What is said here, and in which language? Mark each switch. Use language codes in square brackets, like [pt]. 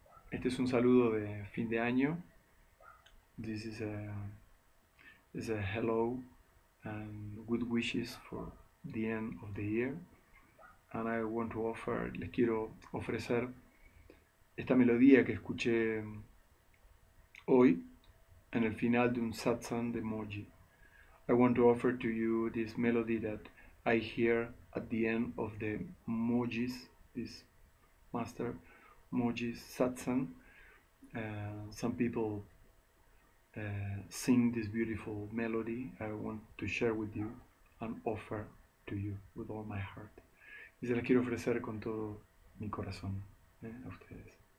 [es] Este es un saludo de fin de año. [en] This is a hello and good wishes for the end of the year. And I want to offer, [es] les quiero ofrecer esta melodía que escuché hoy en el final de un satsang de Moji. [en] I want to offer to you this melody that I hear at the end of the Moji's, this master Moji's satsang. Some people sing this beautiful melody. I want to share with you and offer to you with all my heart. [es] Y se las quiero ofrecer con todo mi corazón, a ustedes.